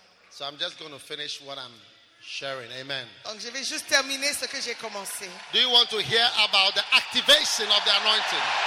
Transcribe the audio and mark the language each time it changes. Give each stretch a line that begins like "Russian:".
English: So I'm just going to finish what I'm sharing. Amen.
French: Donc je vais juste terminer ce que j'ai commencé.
English: Do you want to hear about the activation of the anointing?